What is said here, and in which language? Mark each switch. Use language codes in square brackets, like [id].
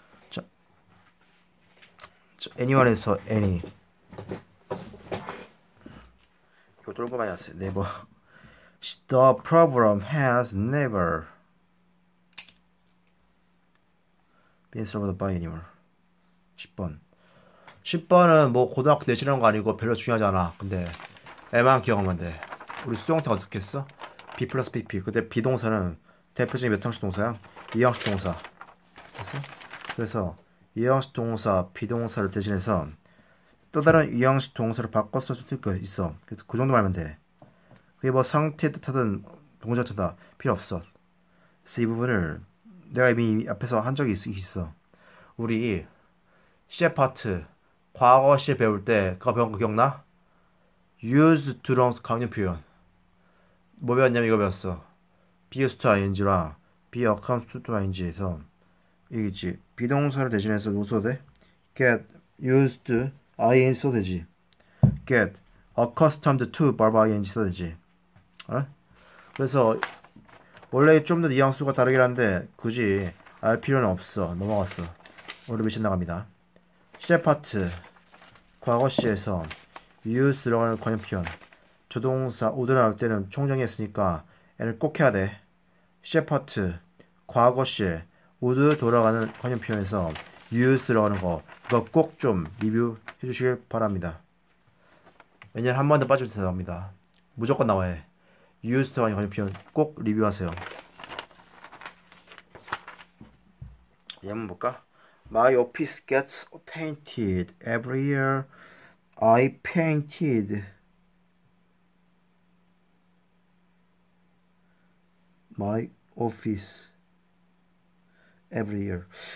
[ko] 자, anyone에서 any. 이거 뚫고 많이 왔어요, never. [en] The problem has never been solved by anyone. [ko] 10번. 10번은 뭐 고등학교 내신한 거 아니고 별로 중요하지 않아. 근데 애만 기억하면 돼. 우리 수동태 어떻게 했어? B 플러스 PP. 그때 비동사는 대표적인 몇 형식 동사야? 이형식 동사. 그래서 이형식 동사, 비동사를 대신해서 또 다른 이형식 동사를 바꿔 쓸 수도 있어. 그래서 그 정도 말하면 돼. 그게 뭐 상태 뜻하든 동사 뜻하든 필요 없어. 그래서 이 부분을 내가 이미 앞에서 한 적이 있어. 우리 시제 파트 과거 시제 배울 때 그거 배운 거 기억나? used to랑 강렬 표현 뭐 배웠냐면 이거 배웠어. be used to ing랑 be accustomed to ing에서 이게지. 비동사를 대신해서 뭐 써도 돼? [en] get used to ing [ko] 써도 되지. [en] get accustomed to blah blah ing [ko] 써도 되지. 알아? 그래서 원래 좀더 뉘앙스가 다르긴 한데 굳이 알 필요는 없어. 넘어갔어. 오늘 미션 나갑니다. 시제 파트 과거 시에서 use라는 관용 표현. 조동사 would 나올 때는 총정리 했으니까 얘를 꼭 해야 돼. 시제 파트 과거 시에 would 돌아가는 관용 표현에서 use라는 거 이거 꼭좀 리뷰 해주시길 바랍니다. 왜냐면 한번더 빠지면 죄송합니다. 무조건 나와야 해. use라는 관용 표현 꼭 리뷰하세요. 예문 볼까? [en] My office gets painted every year. I painted my office every year.